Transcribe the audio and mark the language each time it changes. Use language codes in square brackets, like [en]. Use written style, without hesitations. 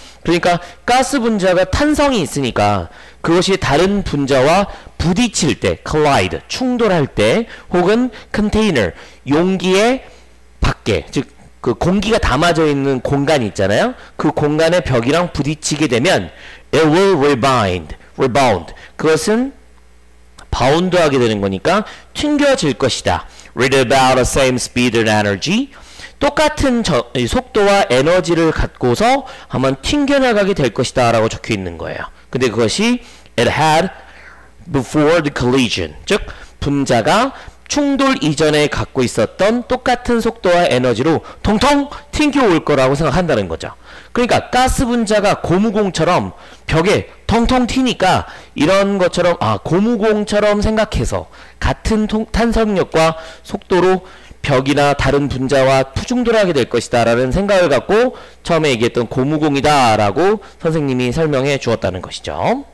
[ko] 그러니까 가스 분자가 탄성이 있으니까 그것이 다른 분자와 부딪힐 때 collide 충돌할 때 혹은 container 용기의 밖에 즉 그 공기가 담아져 있는 공간이 있잖아요. 그 공간의 벽이랑 부딪히게 되면 [en] it will rebound [ko] 그것은 바운드 하게 되는 거니까 튕겨질 것이다. [en] With about the same speed and energy. [ko] 똑같은 속도와 에너지를 갖고서 한번 튕겨나가게 될 것이다 라고 적혀 있는 거예요. 근데 그것이 [en] it had before the collision. [ko] 즉 분자가 충돌 이전에 갖고 있었던 똑같은 속도와 에너지로 통통 튕겨올 거라고 생각한다는 거죠. 그러니까 가스 분자가 고무공처럼 벽에 텅텅 튀니까 이런 것처럼 아 고무공처럼 생각해서 같은 탄성력과 속도로 벽이나 다른 분자와 푸중돌하게 될 것이다 라는 생각을 갖고 처음에 얘기했던 고무공이다 라고 선생님이 설명해 주었다는 것이죠.